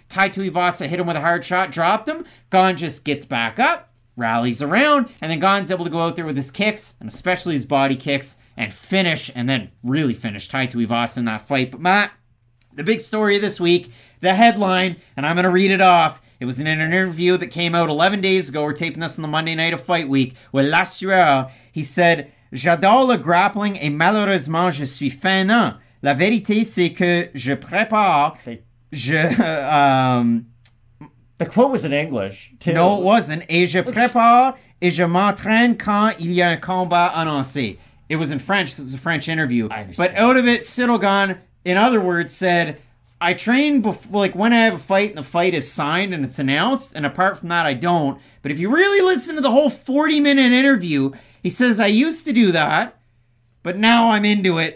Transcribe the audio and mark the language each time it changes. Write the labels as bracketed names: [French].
[English] Tai Tuivasa hit him with a hard shot, dropped him. Gon just gets back up, rallies around, and then Gon's able to go out there with his kicks, and especially his body kicks, and finish, and then really finish Tai Tuivasa in that fight. But Matt, the big story of this week, the headline, and I'm going to read it off. It was in an interview that came out 11 days ago. We're taping this on the Monday night of Fight Week with La Sueur. [French] He said, J'adore le grappling et malheureusement, je suis fainéant. La vérité, c'est que je prépare. [English] The quote was in English, too. No, it wasn't. [French] Et je prépare et je m'entraîne quand il y a un combat annoncé. [English] It was in French because it was a French interview. I understand. But out of it, Cyrilgan, in other words, said, I train when I have a fight and the fight is signed and it's announced, and apart from that, I don't. But if you really listen to the whole 40-minute interview, he says, I used to do that, but now I'm into it.